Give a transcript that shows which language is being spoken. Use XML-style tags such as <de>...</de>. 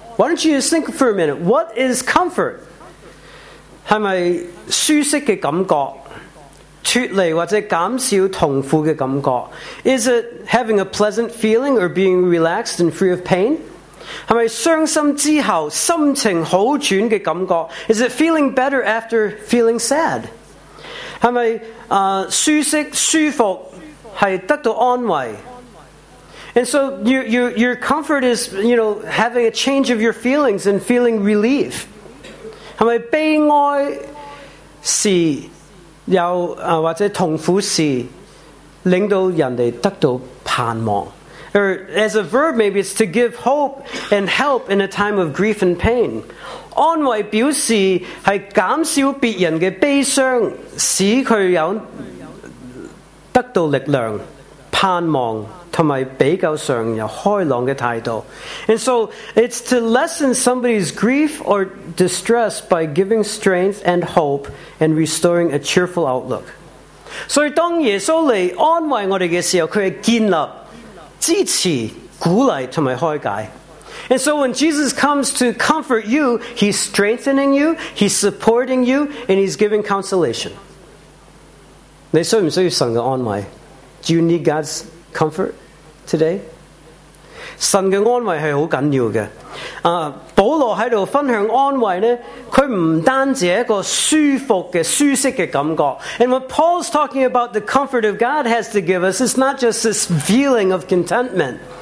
<en>Why don't you just think for a minute, what is comfort?</en> <zh>是不是舒适的感觉？脱离或者减少痛苦的感觉？</zh> <en>Is it having a pleasant feeling or being relaxed and free of pain?</en> <zh>是不是伤心之后心情好转的感觉？</zh> <en>Is it feeling better after feeling sad?</en> <zh>是不是舒适舒服是得到安慰？</zh> <en>And so your comfort is, you know, having a change of your feelings and feeling relief.</en> <zh>是不是悲哀是有或者痛苦是令到人得到盼望？</zh> <en>Or as a verb, maybe it's to give hope and help in a time of grief and pain.</en> <zh>安慰表示是减少别人的悲伤，使他有得到力量、盼望。</zh> <en>And so it's to lessen somebody's grief or distress by giving strength and hope and restoring a cheerful outlook.</en> <zh>So, 当耶稣来安慰我们的时候，他是建立、支持、鼓励和开解。</zh> <en>And so when Jesus comes to comfort you, he's strengthening you, he's supporting you, and he's giving consolation.</en> <zh>你需不需要神的安慰?</zh> <en>Do you need God's comfort today?</en> <zh>神的安慰是很重要的。保罗在这里分享安慰呢，他不单只是一个舒服的舒适的感觉。</zh> <en>And what Paul's talking about the comfort of God has to give us, it's not just this feeling of contentment.</en>